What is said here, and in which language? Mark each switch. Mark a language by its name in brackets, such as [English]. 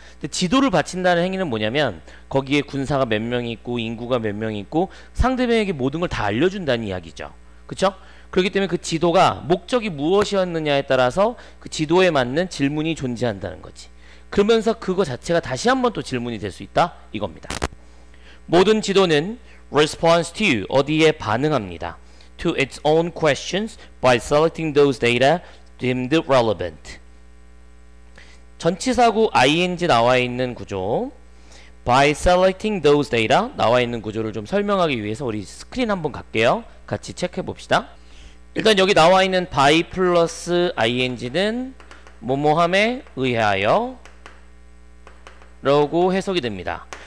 [Korean] 근데 지도를 바친다는 행위는 뭐냐면 거기에 군사가 몇 명 있고 인구가 몇 명 있고 상대방에게 모든 걸 다 알려준다는 이야기죠. 그렇죠? 그렇기 때문에 그 지도가 목적이 무엇이었느냐에 따라서 그 지도에 맞는 질문이 존재한다는 거지. 그러면서 그거 자체가 다시 한번 또 질문이 될 수 있다 이겁니다. 모든 지도는 [English] response to, [Korean] 어디에 반응합니다. [English] To its own questions by selecting those data deemed relevant. [Korean] 전치사구 ing 나와 있는 구조 [English] by selecting those data [Korean] 나와 있는 구조를 좀 설명하기 위해서 우리 스크린 한번 갈게요. 같이 체크해 봅시다. 일단 여기 나와 있는 by 플러스 ing는 뭐뭐함에 의하여 라고 해석이 됩니다.